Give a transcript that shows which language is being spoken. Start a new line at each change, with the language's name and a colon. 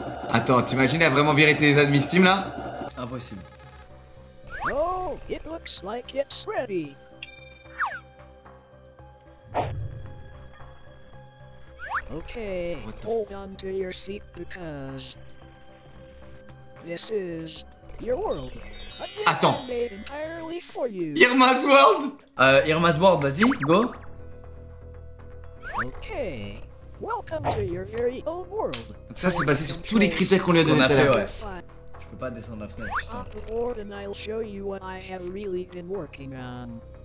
French: Attends, t'imagines à vraiment virer tes admins Steam là? Impossible.
English: Oh, it looks like it's ready. Okay, hold on to your seat because this is your world.
French: Attends.
English: Made entirely for you. Irma's world. Irma's world,
French: vas-y, go.
English: Okay, welcome to your very own world.
French: Donc ça c'est basé sur tous les critères qu'on lui a donné. Fait, ouais. Je peux pas descendre la fenêtre, putain.
English: I'll show you what I have really been working on.